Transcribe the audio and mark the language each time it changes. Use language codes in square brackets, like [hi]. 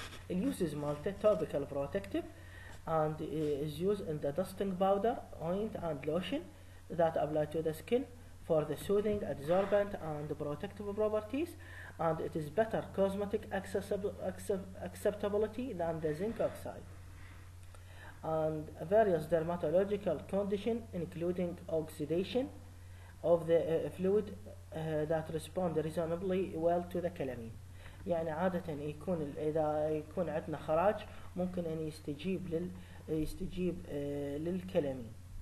[en] اليوزز مالته topical protective and is use in the dusting powder ointment and lotion that apply to the skin for the soothing adsorbent and protective properties And it is better cosmetic acceptability than the zinc oxide. And various dermatological conditions, including oxidation of the fluid that respond reasonably well to the calamine. [ar] يعني عادة يكون إذا يكون عندنا خراج ممكن أن يستجيب للكلامين.